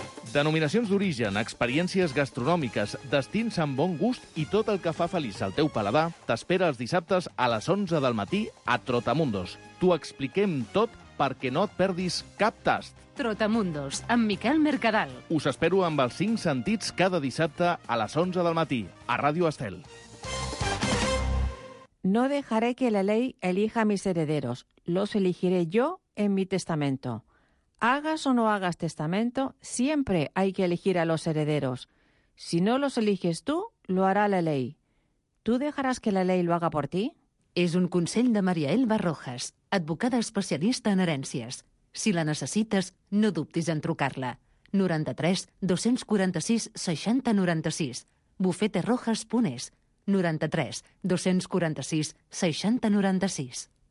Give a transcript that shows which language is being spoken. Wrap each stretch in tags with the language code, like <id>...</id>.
<ca>Denominacions d'origen, experiències gastronòmiques, destins amb bon gust i tot el que fa feliç al teu paladar t'espera els dissabtes a les 11 del matí a Trotamundos. T'ho expliquem tot perquè no et perdis cap tast. Trotamundos, amb Miquel Mercadal. Us espero amb els 5 sentits cada dissabte a les 11 del matí, a Ràdio Estel.</ca> <es>No dejaré que la ley elija mis herederos. Los elegiré yo en mi testamento. Hagas o no hagas testamento, siempre hay que elegir a los herederos. Si no los eliges tú, lo hará la ley. ¿Tú dejarás que la ley lo haga por ti?</es> <ca>És un consell de Maria Elba Rojas, advocada especialista en herències. Si la necessites, no dubtis en trucar-la. 93 246 60 96. bufeterojas.es. 93 246 60 96.</ca>